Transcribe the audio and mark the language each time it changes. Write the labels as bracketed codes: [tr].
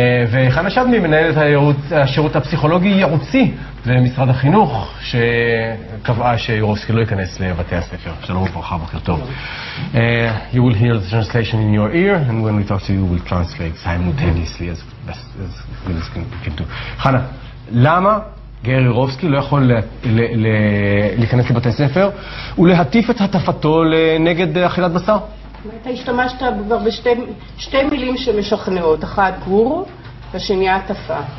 [he] וחנה שדמי, מנהלת השירות הפסיכולוגי ייעוצי במשרד החינוך, שקבעה שיורובסקי לא ייכנס לבתי הספר. שלום וברכה, בוקר טוב. [en] You will hear the translation in your ear, and when we talk to you, we'll translate simultaneously as good as we can do. [he] חנה, למה גרי יורובסקי לא יכול להיכנס לבתי ספר ולהטיף את הטפתו נגד אכילת בשר? אתה השתמשת כבר בשתי מילים שמשכנעות, אחת גור והשנייה הטפה.